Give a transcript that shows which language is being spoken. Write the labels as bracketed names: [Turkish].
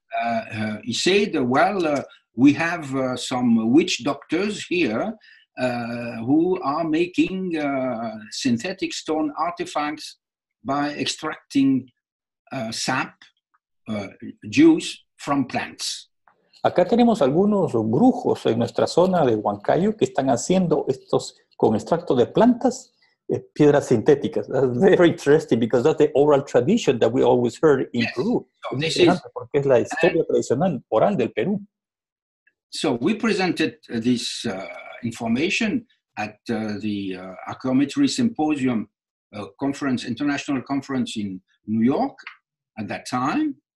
[English] And he said, well, we have some witch doctors here who are making synthetic stone artifacts by extracting sap, juice, from plants. [Spanish] Acá tenemos algunos brujos en nuestra zona de Huancayo que están haciendo estos con extracto de plantas, piedras sintéticas. [English] That's very interesting because that's the oral tradition that we always heard in Peru. [Spanish] Porque es la historia tradicional oral del Perú. [English] So we presented this information at the archaeometry symposium conference, international conference in New York at that time.